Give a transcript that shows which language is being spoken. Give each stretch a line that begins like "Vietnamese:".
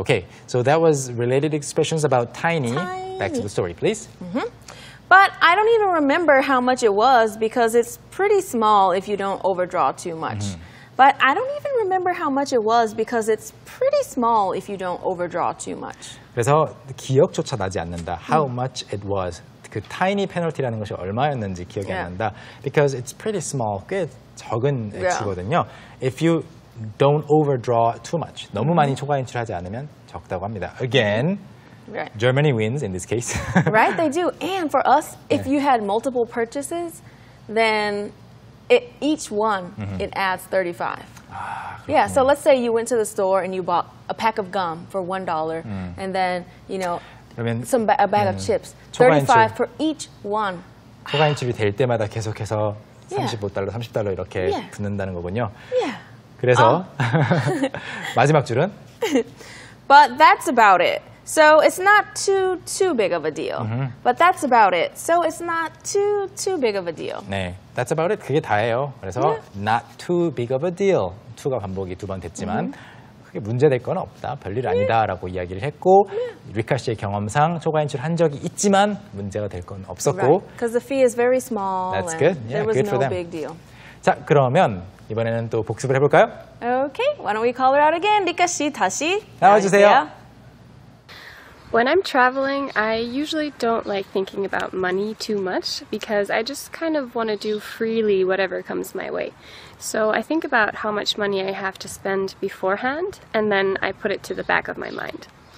English: Okay, so that was related expressions about tiny. Tiny. Back to the story, please. But I don't even remember how much it was because it's pretty small if you don't overdraw too much. But I don't even remember how much it was because it's pretty small if you don't overdraw too much.
Korean: 그래서 기억조차 나지 않는다.
English: How much it was.
Korean: 그 tiny penalty라는 것이 얼마였는지 기억이 안 난다.
English: Because it's pretty small.
Korean: 꽤 적은 액수거든요.
English: If you don't overdraw too much.
Korean: 너무 많이 초과 인출하지 않으면 적다고 합니다.
English: Again. Right. Germany wins in this case. right, they do. And for us, if you had multiple purchases, then it, each one, it adds 35. 아, yeah, so let's say you went to the store and you bought a pack of gum for $1, and then, you know, 그러면, some a bag of chips. 35 for each one.
Korean: 초과 인출이 될 때마다 계속해서 $35, $30 이렇게 붙는다는 거군요.
English: Yeah.
Korean: 그래서 마지막 줄은?
English: But that's about it. So it's not too, too big of a deal. But that's about it. So it's not too, too big of a deal. 네, that's about it.
Korean: 그게 다예요. 그래서
English: not too big of a deal.
Korean: 2가 반복이 두 번 됐지만 그게 문제될 건 없다. 별일 아니다 라고 이야기를 했고 리카 씨의 경험상 초과 인출 한 적이 있지만 문제가 될 건 없었고
English: Because the fee is very small. That's good. Yeah, there was good no big deal.
Korean: 자, 그러면 이번에는 또 복습을 해볼까요?
English: Okay, why don't we call her out again?
Korean: 리카 씨 다시 나와주세요.
English: When I'm traveling, I usually don't like thinking about money too much because I just kind of want to do freely whatever comes my way. So I think about how much money I have to spend beforehand and then I put it to the back of my mind.